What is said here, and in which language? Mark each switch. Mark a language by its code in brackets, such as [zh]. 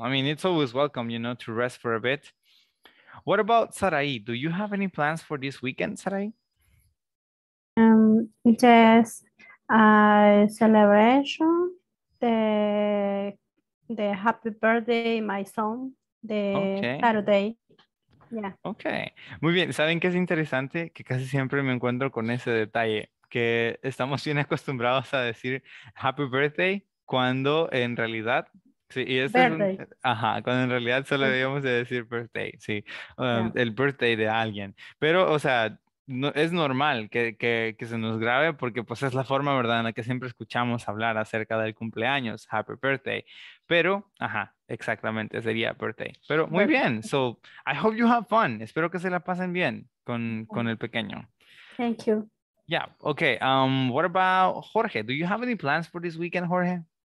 [en] I mean, it's always welcome, you know, to rest for a bit. What about Sarai? Do you have any plans for this weekend, Sarai? Yes, a celebration, the happy birthday, my son, the okay. Saturday. Yeah. [es] Okay, muy bien. ¿Saben qué es interesante? Que casi siempre me encuentro con ese detalle, que estamos bien acostumbrados a decir happy birthday cuando en realidad... Sí, y eso [en] birthday. [es] Es un, ajá, cuando en realidad solo debíamos de decir birthday, sí, yeah. El birthday de alguien. Pero, o sea, no, es normal que se nos grabe porque pues es la forma, ¿verdad?, en la que siempre escuchamos hablar acerca del cumpleaños, happy birthday. Pero, ajá, exactamente, sería birthday. Pero muy bien, [en] so I hope you have fun. [es] Espero que se la pasen bien con el pequeño. [en] Thank you. Yeah, okay. What about Jorge? Do you have any plans for this weekend, Jorge?